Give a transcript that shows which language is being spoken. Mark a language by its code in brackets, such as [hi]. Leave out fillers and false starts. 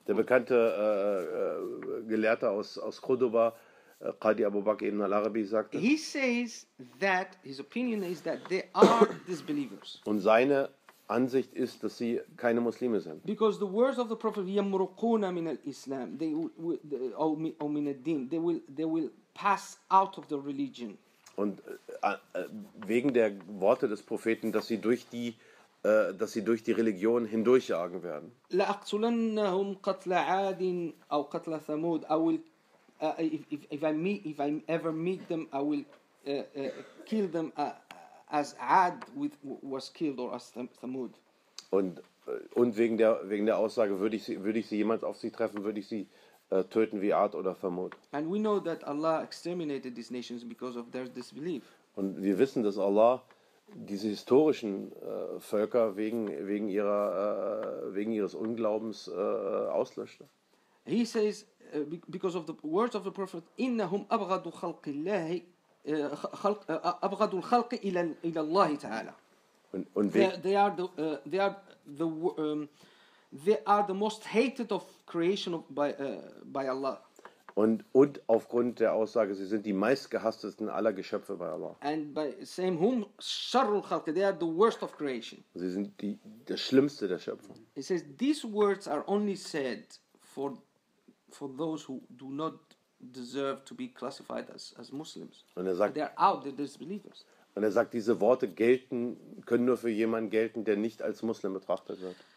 [de] Der bekannte Gelehrte aus Cordoba, Qadi Abu Bakr ibn al-Arabi, sagte. [en] He says that his opinion is that they are disbelievers. [de] Und seine Ansicht ist, dass sie keine Muslime sind. [en] Because the words of the Prophet [ar] yamruquna min al-Islam, [en] or [ar] min al-Din, [en] they will pass out of the religion. [de] Und wegen der Worte des Propheten, dass sie durch die Religion hindurchjagen werden. [ar] La'aqtulannahum qatla 'adin aw qatla thamud, [en] I will kill them as Ad was killed or as Thamud. [de] Und wegen der Aussage würde ich sie jemals auf sie treffen, würde ich sie töten wie Ad oder Thamud. [en] And we know that Allah exterminated these nations because of their disbelief. [de] Und wir wissen, dass Allah diese historischen Völker wegen ihres Unglaubens auslöschte. [en] He says because of the words of the Prophet, [ar] innahum abghadu khalqillahi. [en] They are the most hated of creation of by Allah. [de] Und aufgrund der Aussage, sie sind die meistgehassten aller Geschöpfe bei Allah. [en] And by same whom [ar] sharrul khalqi, [en] they are the worst of creation. [de] Sie sind das Schlimmste der Schöpfung. [en] He says these words are only said for those who do not deserve to be classified as Muslims. [de] Und er sagt, [en] they are out, they're disbelievers. [de] Und er sagt, diese Worte können nur für jemanden gelten, der nicht als Muslim betrachtet wird.